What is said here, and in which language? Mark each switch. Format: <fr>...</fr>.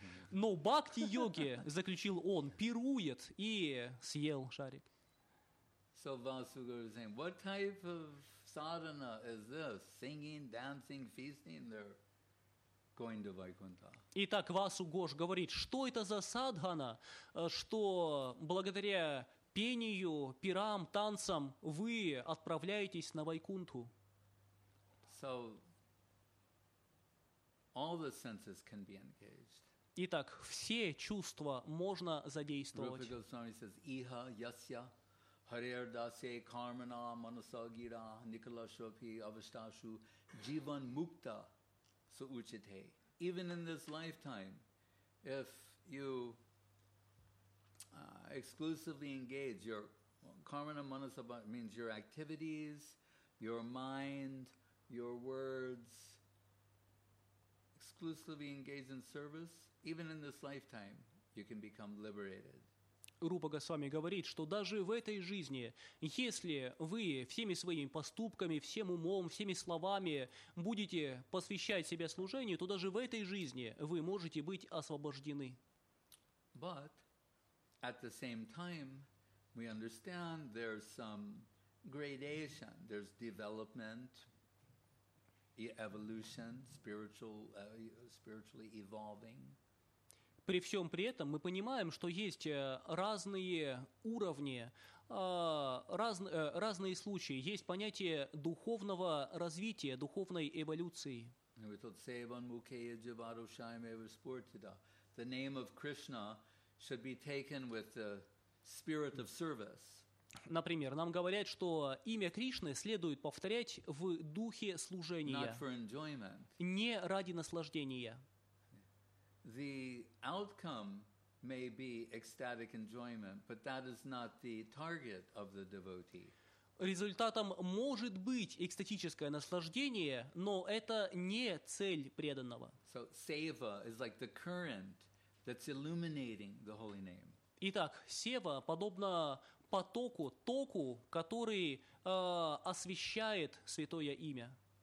<ru>Но бхакти-йоги, заключил он, пирует и съел шарик.</ru> <en>So Vasu Guru is saying, what type of sadhana is this? Singing, dancing, feasting, they're going to Vaikuntha.</en> <ru>Итак, Васу Гош говорит, что это за садхана, что благодаря пению, пирам, танцам вы отправляетесь на Вайкунту.</ru> <en>So, all the senses can be engaged.</en> <ru>Итак, все чувства можно задействовать.</ru> <sa>Rupa Goswami says, Iha, Yasya, Harir Dasya, Karmana, Manasagira, Nikalashvapi, Avastashu, Jivan Mukta, Suuchite.</sa> <en>Even in this lifetime, if you exclusively engage your Karmana Manasabha means your activities, your mind, your words, exclusively engage in service, even in this lifetime, you can become liberated.</en> <ru>Рупа Госвами говорит, что даже в этой жизни, если вы всеми своими поступками, всем умом, всеми словами будете посвящать себя служению, то даже в этой жизни вы можете быть освобождены.</ru> <en>But at the same time, we understand there's some gradation, there's development, evolution, spiritually evolving.</en> <ru>При всем при этом мы понимаем, что есть разные уровни, разные случаи. Есть понятие духовного развития, духовной эволюции.</ru> <en>We thought,</en> <sa>Sevan Mukhaya Javarushayam Evasportida.</sa> <en>The name of Krishna should be taken with the spirit of service.</en> <ru>Например, нам говорят, что имя Кришны следует повторять в духе служения.</ru> <en>Not for enjoyment.</en> <ru>Не ради наслаждения.</ru> <en>The outcome may be ecstatic enjoyment, but that is not the target of the devotee.</en> <ru>Результатом может быть экстатическое наслаждение, но это не цель преданного.</ru> <en>So seva is like the current that's illuminating the holy name.</en> <ru>Итак, сева подобно потоку, току, который освещает святое имя.</ru>